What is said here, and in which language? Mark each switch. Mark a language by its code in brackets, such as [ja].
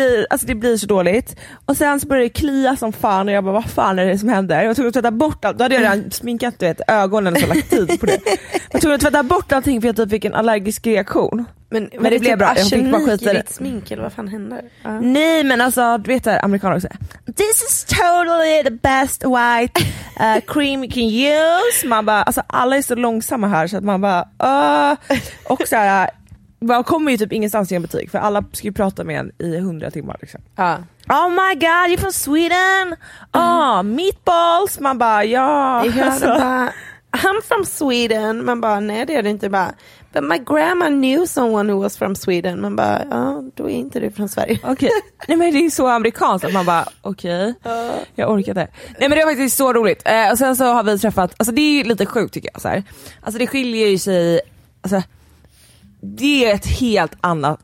[sv] Alltså det blir så dåligt. Och sen så börjar det klia som fan. Och jag bara, vad fan är det som händer? Jag tog att tvätta bort allt. Då hade jag redan sminkat, du vet, ögonen och så lagt tid på det. Jag tog att tvätta bort allting för jag typ fick en allergisk reaktion. Men det blev typ bra. Jag fick bara skit i ditt smink eller vad fan händer? Nej, men alltså, du vet det, amerikaner också. [en] This is totally the best white cream you can use. [sv] Man bara, alltså alla är så långsamma här. Så att man bara, och så här. Man kommer ju typ ingenstans i en butik. För alla ska ju prata med en i 100 timmar liksom. [en] Oh my god, you're from Sweden. [sv] Meatballs. Man bara, ja, alltså. Bara, [en] I'm from Sweden. [sv] Man bara, nej det är det inte. [en] Bara, but my grandma knew someone who was from Sweden. [sv] Man bara, ja, då är inte du från Sverige. Okej, okay. Nej, men det är så amerikanskt. Att man bara, okej, okay. Jag orkar det. Nej, men det är faktiskt så roligt. Och sen så har vi träffat, alltså det är lite sjukt tycker jag så här. Alltså det skiljer ju sig. Alltså det är ett helt annat.